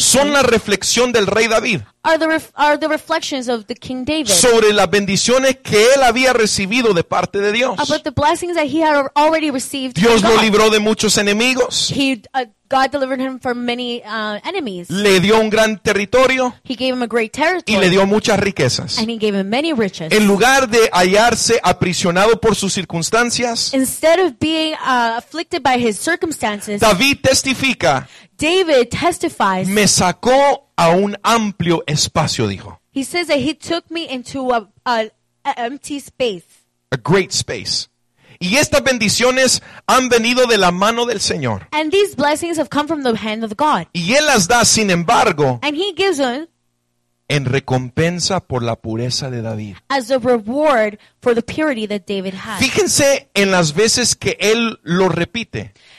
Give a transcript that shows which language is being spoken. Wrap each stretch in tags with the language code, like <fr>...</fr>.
<es>son la reflexión del rey David.</es> <en>Are the reflections of the King David</en> <es>sobre las bendiciones que él había recibido de parte de Dios.</es> <en>About the blessings that he had already received.</en> <es>Dios</es> <en>from God.</en> <es>Lo libró de muchos enemigos.</es> <en>God delivered him from many enemies.</en> <es>Le dio un gran territorio.</es> <en>He gave him a great territory.</en> <es>Y le dio muchas riquezas.</es> <en>And he gave him many riches.</en> <es>En lugar de hallarse aprisionado por sus circunstancias,</es> <en>instead of being afflicted by his circumstances,</en> <es>David testifica.</es> <en>David testifies.</en> <es>Me sacó a un amplio espacio, dijo.</es> <en>He says that he took me into a empty space. A great space.</en> <es>Y estas bendiciones han venido de la mano del Señor.</es> <en>And these blessings have come from the hand of God.</en> <es>Y Él las da, sin embargo,</es> <en>and he gives them,</en> <es>en recompensa por la pureza de David.</es> <en>As a reward for the purity that David had.</en> <es>Fíjense en las veces que Él lo repite.</es>